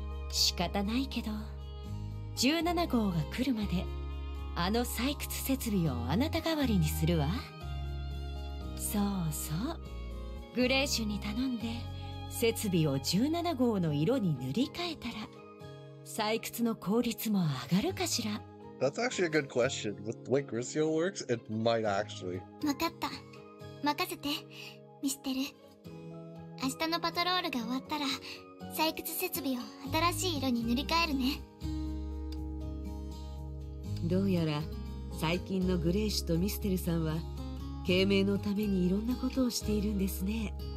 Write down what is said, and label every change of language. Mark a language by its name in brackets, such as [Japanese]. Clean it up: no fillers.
[Japanese] 仕方ないけど、17号が来るまであの採掘設備をあなた代わりにするわ。そうそう、グレーシュに頼んで設備を17号の色に塗り替えたら採掘の効率も上がるかしら。 [English] That's actually a good question. With the way Grisio works, it might actually. [Japanese] 分かった。任せて、ミステル。明日のパトロールが終わったら採掘設備を新しい色に塗り替えるね。どうやら最近のグレーシュとミステルさんは慶明のためにいろんなことをしているんですね。